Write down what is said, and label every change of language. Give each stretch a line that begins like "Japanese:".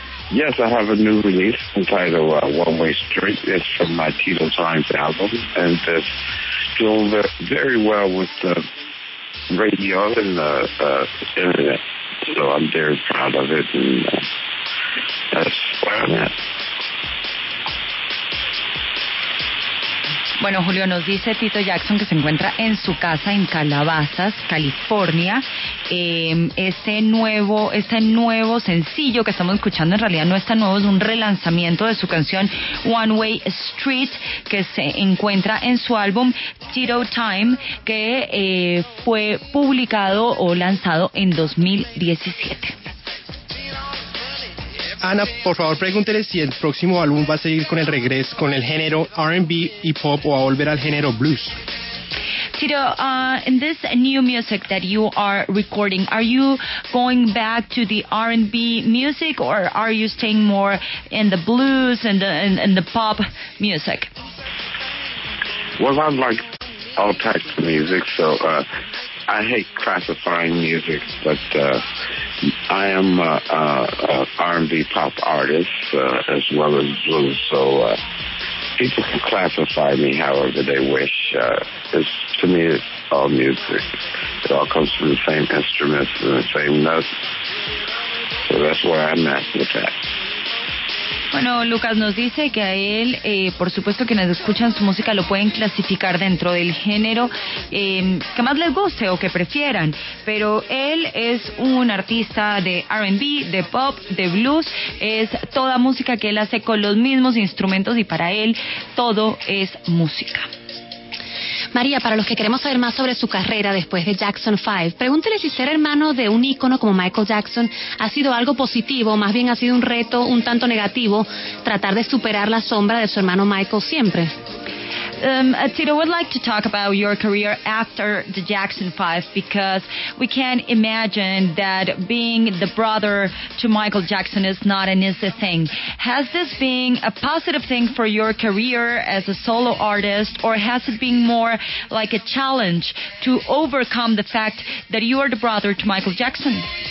English: Yes, I have a new release entitled One Way Street. It's from my Tito Times album, and it's doing very well with the radio and the internet. So I'm very proud of it, and that's where I'm at.
Spanish: Bueno, Julio, nos dice Tito Jackson que se encuentra en su casa en Calabasas, California. Este nuevo sencillo que estamos escuchando en realidad no es tan nuevo, es un relanzamiento de su canción One Way Street, que se encuentra en su álbum Tito Time, que fue publicado o lanzado en 2017. Ana, por favor, pregúntele si el próximo álbum va a seguir con el regreso, con el género R&B y pop, o a volver al género blues.
English: Tito, in this new music that you are recording, are you going back to the R&B music, or are you staying more in the blues and the pop music? Well, I like all types of music, so I hate classifying music, but I am a R&B pop artist as well as blues, so people can classify me however they wish. To me, it's all music. It all comes from the same instruments and the same notes, so that's where I'm at with that.
Spanish: Bueno, Lucas nos dice que a él, por supuesto, quienes escuchan su música lo pueden clasificar dentro del género que más les guste o que prefieran, pero él es un artista de R&B, de pop, de blues, es toda música que él hace con los mismos instrumentos, y para él todo es música. María, para los que queremos saber más sobre su carrera después de Jackson 5, pregúntele si ser hermano de un ícono como Michael Jackson ha sido algo positivo, o más bien ha sido un reto un tanto negativo, tratar de superar la sombra de su hermano Michael siempre.
English: Tito, would like to talk about your career after the Jackson 5, because we can imagine that being the brother to Michael Jackson is not an easy thing. Has this been a positive thing for your career as a solo artist, or has it been more like a challenge to overcome the fact that you are the brother to Michael Jackson?